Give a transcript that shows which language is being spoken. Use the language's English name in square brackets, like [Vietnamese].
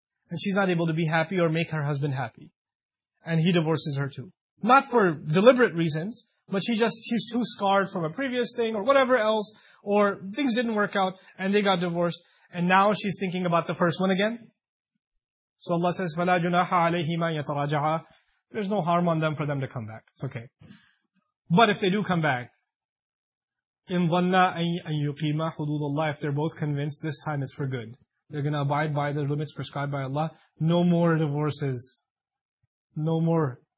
[English] And she's not able to be happy or make her husband happy. And he divorces her too. Not for deliberate reasons, but she's too scarred from a previous thing or whatever else, or things didn't work out and they got divorced. And now she's thinking about the first one again. So Allah says, [Arabic] فَلَا جُنَاحَ عَلَيْهِمَا يَتَرَاجَعَا. [English] There's no harm on them for them to come back. It's okay. But if they do come back, [Arabic] إِنْ ظَنَّا أَن يُقِيمَا حُدُودَ اللَّهِ, [English] if they're both convinced this time it's for good, they're going to abide by the limits prescribed by Allah. No more divorces. No more.